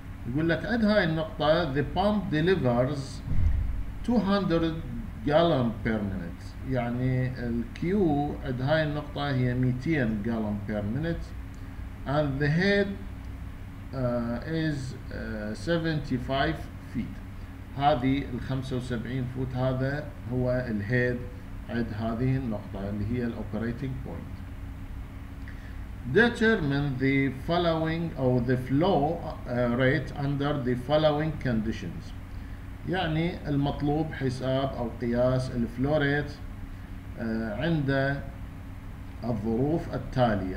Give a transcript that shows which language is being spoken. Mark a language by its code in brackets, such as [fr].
[ar] يقول لك اد هاي النقطه ذا بامب ديليفرز 200 جالون بير مينت، يعني الكيو عند هاي النقطة هي 200 جالون بير مينت، [en] and the head is 75 feet. [ar] هذه ال 75 فوت هذا هو الهيد عند هذه النقطة اللي هي الاوبريتنج بوينت. [en] Determine the following or the flow rate under the following conditions. [ar] يعني المطلوب حساب او قياس الفلو ريت عند الظروف التالية.